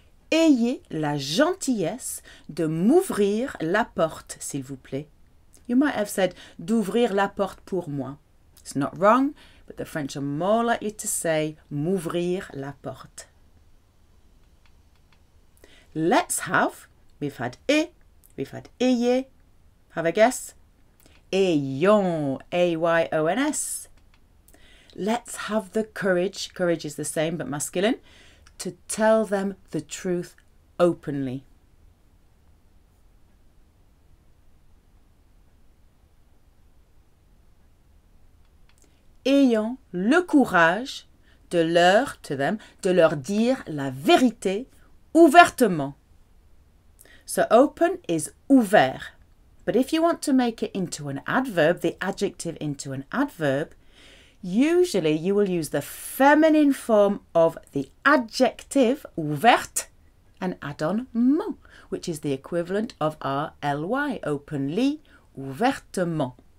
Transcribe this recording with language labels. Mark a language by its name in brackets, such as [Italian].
[French] Ayez la gentillesse de m'ouvrir la porte, s'il vous plaît. [English] You might have said, [French] d'ouvrir la porte pour moi. [English] It's not wrong, but the French are more likely to say, [French] m'ouvrir la porte. [English] Let's have, we've had [French] et, [English] we've had [French] ayez. [English] Have a guess. Ayons, A-Y-O-N-S. Let's have the courage, courage is the same but masculine, to tell them the truth openly. [French] Ayons le courage de leur, [English] to them, [French] de leur dire la vérité ouvertement. [English] So open is ouvert. But if you want to make it into an adverb, the adjective into an adverb, usually you will use the feminine form of the adjective ouverte and add on ment, which is the equivalent of our ly, openly, ouvertement.